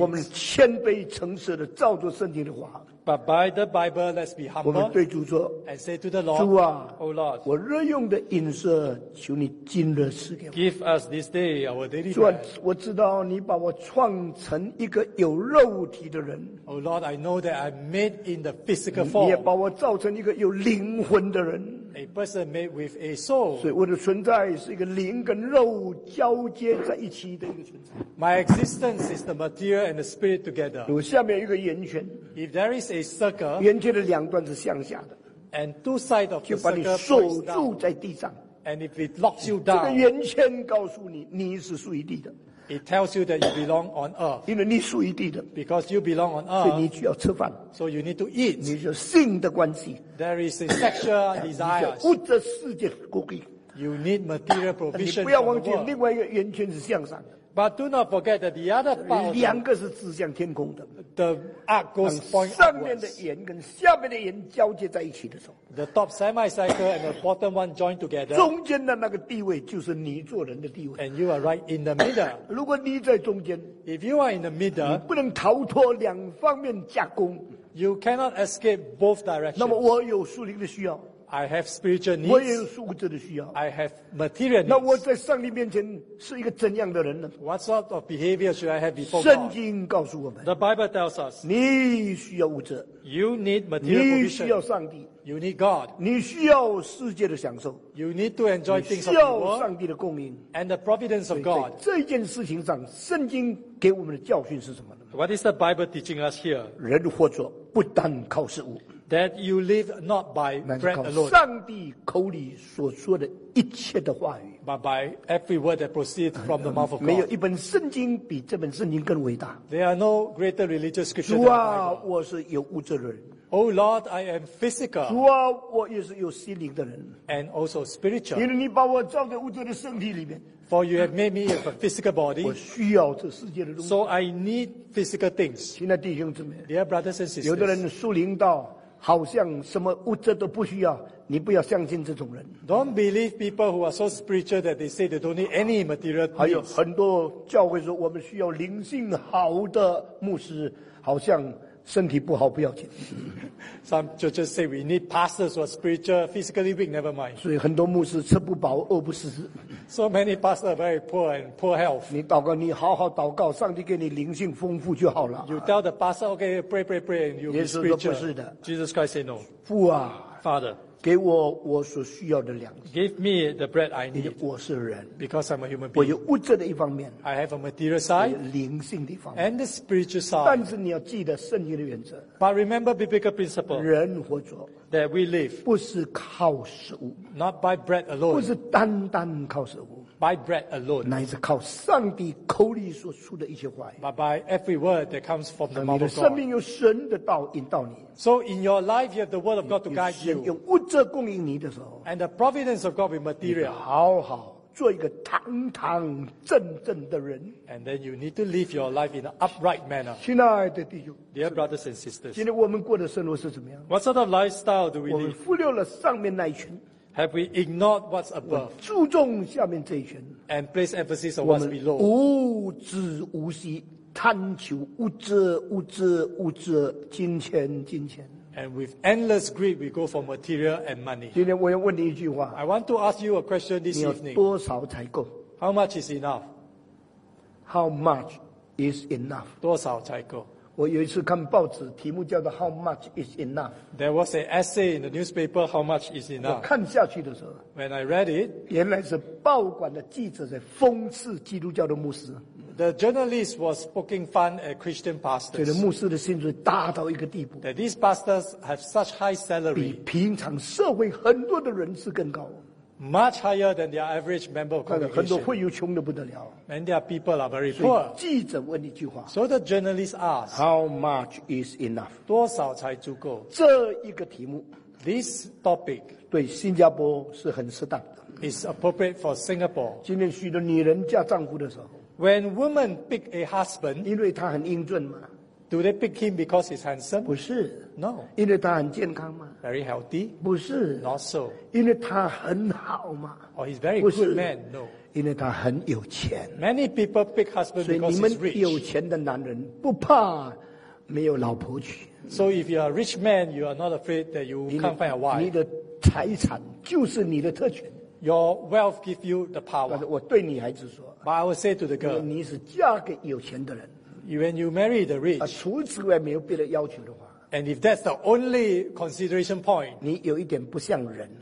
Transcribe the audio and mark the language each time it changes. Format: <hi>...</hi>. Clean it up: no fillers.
<zh>我们谦卑诚实的照着圣经的话。</zh> <en>But by the Bible, let's be humble.</en> <zh>我们对主说</zh> <en>，and say to the Lord,</en> <zh>主啊</zh> <en>，O Lord,</en> <zh>我日用的饮食，求你今日赐给我。</zh> <en>Give us this day our daily bread.</en> <zh>主啊，我知道你把我创成一个有肉体的人。</zh> <en>O Lord, I know that I'm made in the physical form.</en> <zh>你也把我造成一个有灵魂的人。</zh> <en>A person made with a soul.</en> <zh>所以我的存在是一个灵跟肉交接在一起的一个存在。</zh> <en>My existence is the material and the spirit together.</en> <zh>有下面一个圆圈。</zh> <en>If there is a circle,</en> <zh>圆圈的两端是向下的。</zh> <en>And two sides of the circle</en> <zh>就把你锁住在地上。</zh> <en>And if it locks you down,</en> <zh>这个圆圈告诉你，你是属于地的。</zh> <en>It tells you that you belong on earth.</en> <zh>因为你属于地的。</zh> <en>Because you belong on earth.</en> <zh>所以你需要吃饭。</zh> <en>So you need to eat.</en> <zh>你就性的关系。</zh> <en>There is a sexual desire.</en> <zh>物质世界的供应。</zh> <en>You need material provision.</en> <zh>你不要忘记，另外一个圆圈是向上的。</zh> <en>But do not forget that the other part.</en> <zh>两个是指向天空的。</zh> <en>The arc goes point upwards.</en> <zh>上面的圆跟下面的圆交接在一起的时候。</zh> <en>The top semicircle and the bottom one join together.</en> <zh>中间的那个地位就是你做人的地位。</zh> <en>And you are right in the middle.</en> <zh>如果你在中间。</zh> <en>If you are in the middle.</en> <zh>你不能逃脱两方面夹攻。</zh> <en>You cannot escape both directions.</en> <zh>那么我有属灵的需要。</zh> <en>I have spiritual needs.</en> <zh>我也有物质的需要。</zh> <en>I have material needs.</en> <zh>那我在上帝面前是一个怎样的人呢</zh> <en>？What sort of behavior should I have before God?</en> <zh>圣经告诉我们。</zh> <en>The Bible tells us.</en> <zh>你需要物质。</zh> <en>You need material provision.</en> <zh>你需要上帝。</zh> <en>You need God.</en> <zh>你需要世界的享受。</zh> <en>You need to enjoy things of the world.</en> <zh>需要上帝的供应。</zh> <en>And the providence of God.</en> <zh>在这件事情上，圣经给我们的教训是什么呢</zh> <en>？What is the Bible teaching us here?</en> <zh>人活着不单靠食物。</zh> <en>That you live not by bread alone,</en> <zh>上帝口里所说的一切的话语</zh> <en>but by every word that proceeds from the mouth of God.</en> <zh>没有一本圣经比这本圣经更伟大。</zh> <en>There are no greater religious scripture than the Bible.</en> <zh>主啊，我是有物质的人。</zh> <en>Oh Lord, I am physical.</en> <zh>主啊，我也是有心灵的人。</zh> <en>And also spiritual.</en> <zh>因为你把我造在物质的身体里面。</zh> <en>For you have made me with a physical body.</en> <zh>我需要这世界的东西。</zh> <en>So I need physical things.</en> <zh>亲爱的弟兄姊妹</zh> <en>dear brothers and sisters.</en> <zh>有的人属灵到好像什么物质都不需要，你不要相信这种人。</zh> <en>Don't believe people who are so spiritual that they say they don't need any material needs.</en> <zh>还有很多教会说我们需要灵性好的牧师，好像身体不好不要紧。</zh> <en>Some churches say we need pastors who are spiritual, physically weak, never mind.</en> <zh>所以很多牧师吃不饱，饿不死。</zh> <en>So many pastors are very poor and poor health.</en> <zh>你祷告，你好好祷告，上帝给你灵性丰富就好了。</zh> <en>You tell the pastor, okay, pray, pray, pray, and you'll be spiritual.</en> <zh>耶稣说不是的。</zh> <en>Jesus Christ said no.</en> <zh>父啊</zh> <en>，Father,</en> <zh>给我我所需要的粮食。</zh> <en>Give me the bread I need.</en> <zh>我是人</zh> <en>，because I'm a human being.</en> <zh>我有物质的一方面</zh> <en>，I have a material side.</en> <zh>灵性的一方面</zh> <en>，and the spiritual side.</en> <zh>但是你要记得圣经的原则。</zh> <en>But remember biblical principle.</en> <zh>人活着。</zh> <en>That we live,</en> <zh>不是靠食物</zh> <en>not by bread alone,</en> <zh>不是单单靠食物</zh> <en>by bread alone,</en> <zh>乃是靠上帝口里所出的一些话语</zh> <en>but by every word that comes from the mouth of God.</en> <zh>你的生命有神的道引导你</zh> <en>So in your life, you have the word of God to guide you.</en> <zh>用物质供应你的时候</zh> <en>and the providence of God with material.</en> <zh>你好好做一个堂堂正正的人</zh> <en>and then you need to live your life in an upright manner.</en> <zh>亲爱的弟兄</zh> <en>dear brothers and sisters,</en> <zh>今天我们过的生活是怎么样</zh> <en>what sort of lifestyle do we live?</en> <zh>我们忽略了上面那一圈</zh> <en>have we ignored what's above?</en> <zh>注重下面这一圈</zh> <en>and place emphasis on what's below?</en> <zh>无止无息贪求物质物质物质金钱金钱</zh> <en>And with endless greed, we go for material and money.</en> <zh>今天我要问你一句话。</zh> <en>I want to ask you a question this evening.</en> <zh>你有多少才够</zh> <en>？How much is enough? How much is enough?</en> <zh>多少才够？我有一次看报纸，题目叫做</zh> <en>How much is enough? There was an essay in the newspaper, How much is enough?</en> <zh>我看下去的时候</zh> <en>When I read it,</en> <zh>原来是报馆的记者在讽刺基督教的牧师。</zh> <en>The journalist was poking fun at Christian pastors.</en> <zh>觉得牧师的薪水大到一个地步。</zh> <en>That these pastors have such high salary.</en> <zh>比平常社会很多的人士更高。</zh> <en>Much higher than their average member of congregation.</en> <zh>很多会友穷得不得了。</zh> <en>And their people are very poor.</en> <zh>记者问一句话。</zh> <en>So the journalist asks, How much is enough?</en> <zh>多少才足够？这一个题目</zh> <en>，This topic，</en> <zh>对新加坡是很适当的。</zh> <en>Is appropriate for Singapore.</en> <zh>今天许多女人嫁丈夫的时候。</zh> <en>When women pick a husband,</en> <zh>因为他很英俊嘛。</zh> <en>Do they pick him because he's handsome?</en> <zh>不是。</zh> <en>No.</en> <zh>因为他很健康嘛。</zh> <en>Very healthy?</en> <zh>不是。</zh> <en>Not so.</en> <zh>因为他很好嘛。</zh> <en>Oh, he's very good man. No.</en> <zh>因为他很有钱。</zh> <en>Many people pick husband because he's rich.</en> <zh>所以你们有钱的男人不怕没有老婆娶。</zh> <en>So if you're a rich man, you are not afraid that you can't find a wife.</en> <zh>你的财产就是你的特权。</zh> <en>Your wealth gives you the power.</en> <zh>我对女孩子说。</zh> <en>But I will say to the girl.</en> <zh>你是嫁给有钱的人。</zh> <en>When you marry the rich.</en> <zh>除此外没有别的要求的话。</zh> <en>And if that's the only consideration point.</en> <zh>你有一点不像人。</zh>